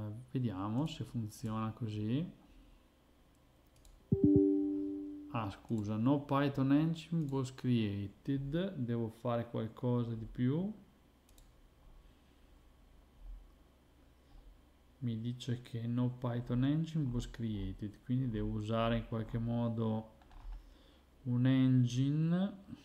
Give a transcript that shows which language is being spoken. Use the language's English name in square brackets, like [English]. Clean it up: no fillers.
[Italian] vediamo se funziona così. Ah, scusa, [English] no Python engine was created. [Italian] Devo fare qualcosa di più. Mi dice che [English] no Python engine was created, [Italian] quindi devo usare in qualche modo un engine.